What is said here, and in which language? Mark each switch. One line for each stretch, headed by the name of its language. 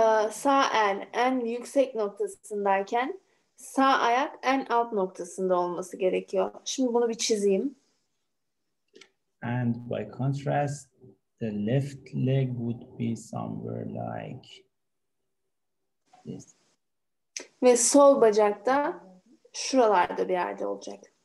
Turkish: Sağ el en yüksek noktasındayken sağ ayak en alt noktasında olması gerekiyor. Şimdi bunu bir çizeyim.
English: And by contrast, the left leg would be somewhere like this.
Turkish: Ve sol bacak da şuralarda bir yerde olacak.